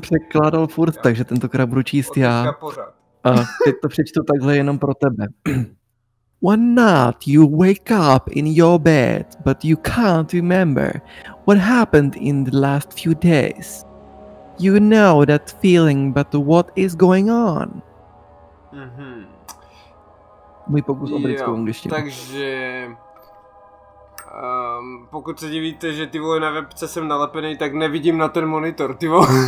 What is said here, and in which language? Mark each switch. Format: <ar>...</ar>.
<cs>překládal furt, takže tentokrát budu číst já. A teď to přečtu takhle jenom pro tebe.</cs> <en>One night you wake up in your bed, but you can't remember what happened in the last few days. You know that feeling, but what is going on?</en> <cs>Můj pokus o britskou angličtinu. Takže... pokud se divíte, že ty vole na webce jsem nalepený, tak nevidím na ten monitor, ty vole.</cs>